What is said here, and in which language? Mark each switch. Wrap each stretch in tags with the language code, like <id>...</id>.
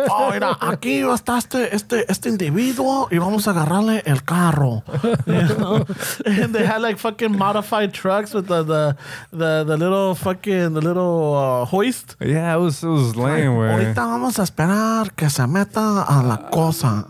<es>Oh, mira, aquí está este individuo y vamos a agarrarle el carro.</es> <en>You know? And they had like fucking modified trucks with the little hoist. Yeah, it was lame. Like,</en> <es>ahorita vamos a esperar que se meta a la cosa.</es>